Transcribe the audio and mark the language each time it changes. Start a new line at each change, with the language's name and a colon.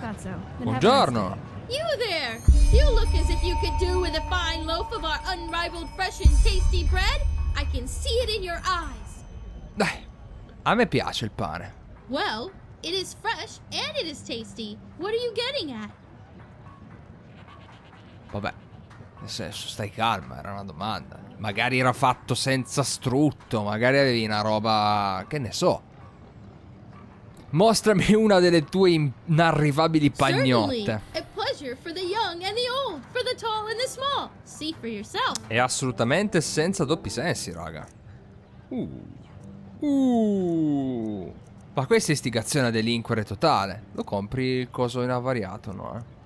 Italian: Buongiorno.
English: You there! You look as if you could do with a fine loaf of our unrivaled fresh and tasty bread. I can see it in your eyes.
Italian: Dai, a me piace il pane.
English: Well, it is fresh and it is tasty. What are you getting at?
Italian: Vabbè, nel senso, stai calma, era una domanda. Magari era fatto senza strutto, magari avevi una roba... che ne so. Mostrami una delle tue inarrivabili pagnotte.
English: Certainly. For the young and the old, for the tall and the small. See for yourself.
Italian: È assolutamente senza doppi sensi, raga. Ma questa è istigazione a delinquere totale. Lo compri il coso in avariato, no?